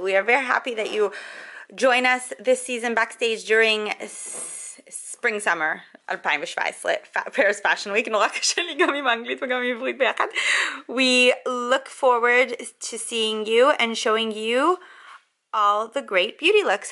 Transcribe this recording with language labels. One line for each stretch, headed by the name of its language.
English: We are very happy that you join us this season backstage during spring-summer.
Hebrew: 2017, Paris Fashion Week, נורא קשה לי גם עם האנגלית וגם עם עברית ביחד.
English: We look forward to seeing you and showing you All the great beauty looks.